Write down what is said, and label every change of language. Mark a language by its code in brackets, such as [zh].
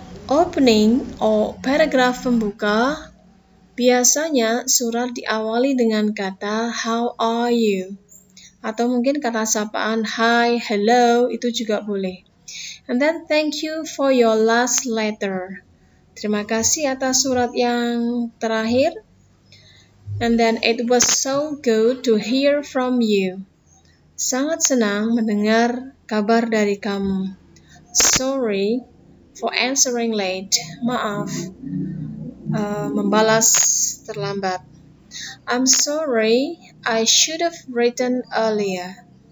[id] Opening or paragraf pembuka, biasanya surat diawali dengan kata [en] how are you? [id] Atau mungkin kata sapaan hi, hello, itu juga boleh. [en] And then thank you for your last letter. [id] Terima kasih atas surat yang terakhir. [en] And then it was so good to hear from you. [id] Sangat senang mendengar kabar dari kamu. [en] Sorry for answering late. [id] Maaf, membalas terlambat. [en] I'm sorry, I should have written earlier.